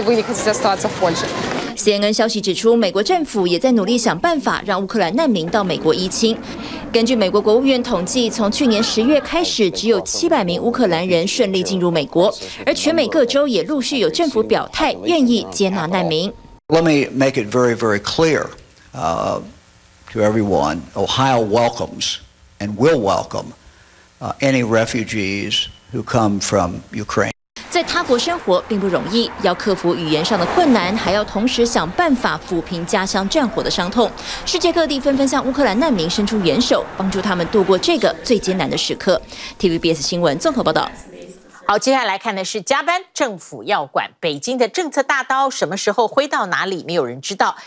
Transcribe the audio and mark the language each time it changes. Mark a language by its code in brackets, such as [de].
[zh] CNN 消息指出，美国政府也在努力想办法让乌克兰难民到美国依亲。根据美国国务院统计，从去年10月开始，只有700名乌克兰人顺利进入美国，而全美各州也陆续有政府表态，愿意接纳难民。 [en] Let me make it very, very clear, to everyone, Ohio welcomes and will welcome, any refugees who come from Ukraine. [zh] 在他国生活并不容易，要克服语言上的困难，还要同时想办法抚平家乡战火的伤痛。世界各地纷纷向乌克兰难民伸出援手，帮助他们度过这个最艰难的时刻。 TVBS 新闻综合报道。好，接下来看的是加班，政府要管。北京的政策大刀什么时候挥到哪里，没有人知道。